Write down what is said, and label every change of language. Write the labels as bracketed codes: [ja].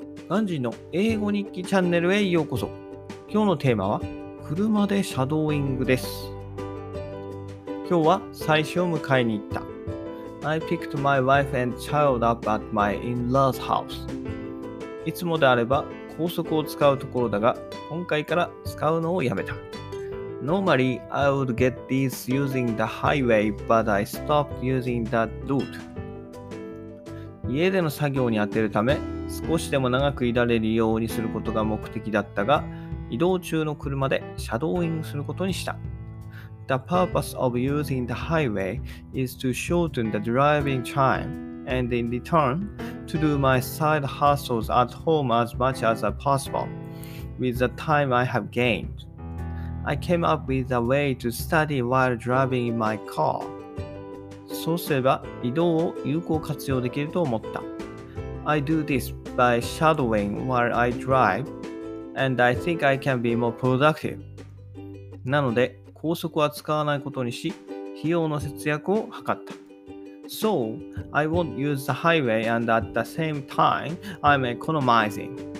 [ja] ガンジーの英語日記チャンネルへようこそ。今日のテーマは車でシャドーイングです。今日は妻子を迎えに行った。 [en] I picked my wife and child up at my in-law's house。 [ja] いつもであれば高速を使うところだが、今回から使うのをやめた。 [en] Normally I would get this using the highway, but I stopped using that route。 [ja] 家での作業に充てるため、少しでも長くいられるようにすることが目的だったが、移動中の車でシャドーイングすることにした。 [en] The purpose of using the highway is to shorten the driving time and in return to do my side hustles at home as much as possible with the time I have gained. I came up with a way to study while driving in my car. [ja] そうすれば移動を有効活用できると思った。 [en] I do this by shadowing while I drive and I think I can be more productive。 [ja] なので高速は使わないことにし、費用の節約を図った。 [en] So I won't use the highway and at the same time I'm economizing。